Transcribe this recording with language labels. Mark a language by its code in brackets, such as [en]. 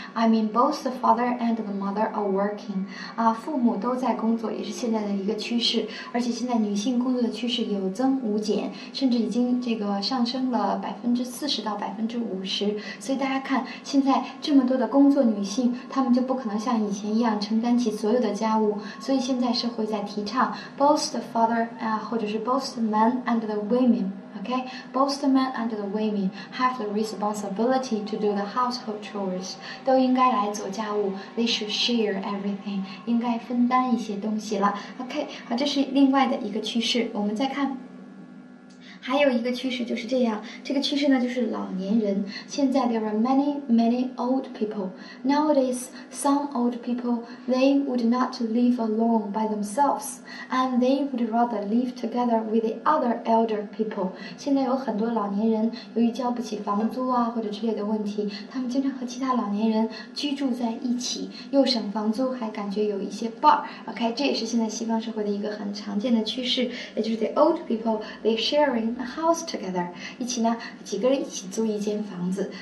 [en] I mean both the father and the mother are working. [zh] 啊，父母都在工作也是现在的一个趋势，而且现在女性工作的趋势有增无减，甚至已经这个上升了40%-50%。所以大家看，现在这么多的工作女性，她们就不可能像以前一样承担起所有的家务。所以现在社会在提倡 [en] both the father [zh] 啊，或者是 [en] both the men and the women。 Okay, both the men and the women have the responsibility to do the household chores. [zh] 都应该来做家务。 [en] They should share everything. [zh] 应该分担一些东西了。 Okay, 好，这是另外的一个趋势。我们再看。还有一个趋势就是这样，这个趋势呢就是老年人。现在 [en] there are many many old people. Nowadays, some old people they would not live alone by themselves, and they would rather live together with the other elder people. [zh] 现在有很多老年人由于交不起房租啊或者之类的问题，他们经常和其他老年人居住在一起，又省房租还感觉有一些伴儿。 OK, 这也是现在西方社会的一个很常见的趋势，也就是 [en] the old people they sharing. A house together, [zh] 一起呢，几个人一起租一间房子。